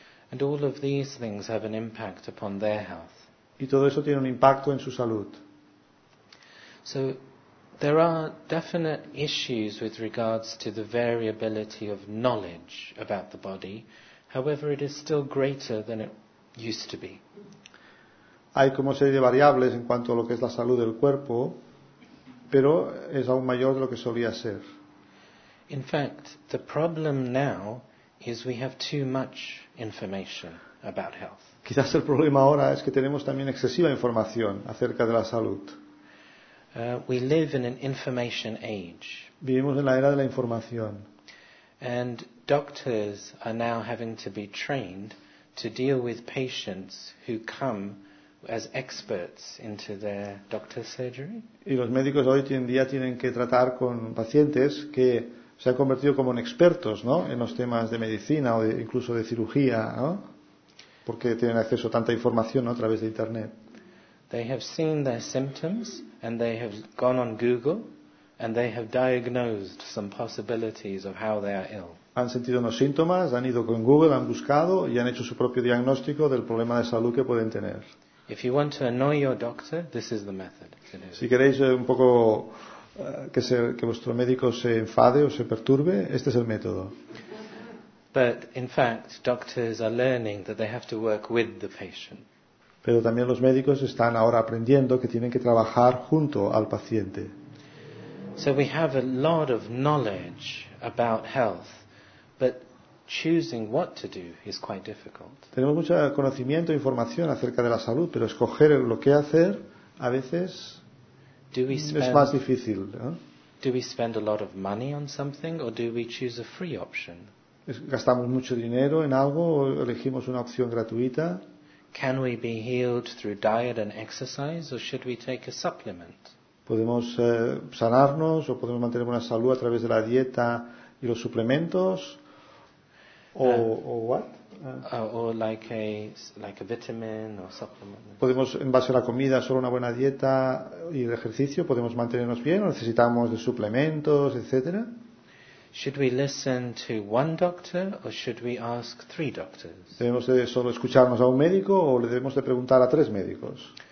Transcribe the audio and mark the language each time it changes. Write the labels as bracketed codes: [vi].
[en] And all of these things have an impact upon their health. [es] Y todo eso tiene un impacto en su salud. [en] So there are definite issues with regards to the variability of knowledge about the body. However, it is still greater than it used to be. [es] Hay como serie de variables en cuanto a lo que es la salud del cuerpo, pero es aún mayor de lo que solía ser. [en] In fact, the problem now is we have too much information about health. [es] Quizás el problema ahora es que tenemos también excesiva información acerca de la salud. [en] We live in an information age. [es] Vivimos en la era de la información. [en] And doctors are now having to be trained to deal with patients who come as experts into their doctor's surgery. [es] Y los médicos hoy en día tienen que tratar con pacientes que se han convertido como en expertos, ¿no? En los temas de medicina o incluso de cirugía, ¿no? Porque tienen acceso a tanta información, ¿no? A través de internet. [en] They have seen their symptoms and they have gone on Google and they have diagnosed some possibilities of how they are ill. [es] Han sentido unos síntomas, han ido con Google, han buscado y han hecho su propio diagnóstico del problema de salud que pueden tener. [en] If you want to annoy your doctor, this is the method. [es] Si queréis un poco que vuestro médico se enfade o se perturbe, este es el método. [en] But in fact, doctors are learning that they have to work with the patient. [es] Pero también los médicos están ahora aprendiendo que tienen que trabajar junto al paciente. [en] So we have a lot of knowledge about health, but choosing what to do is quite difficult. [es] Tenemos mucho conocimiento e información acerca de la salud, pero escoger lo que hacer a veces es más difícil, ¿no? [en] Do we spend a lot of money on something or do we choose a free option? [es] ¿Gastamos mucho dinero en algo o elegimos una opción gratuita? [en] Can we be healed through diet and exercise or should we take a supplement? [es] ¿Podemos sanarnos o podemos mantener una salud a través de la dieta y los suplementos? O what? [en] or like a vitamin or supplement. [es] Podemos en base a la comida, solo una buena dieta y el ejercicio, podemos mantenernos bien. ¿O necesitamos de suplementos, etcétera? [en] Should we listen to one doctor or should we ask three doctors? [es] ¿Debemos de solo escucharnos a un médico o le debemos de preguntar a tres médicos?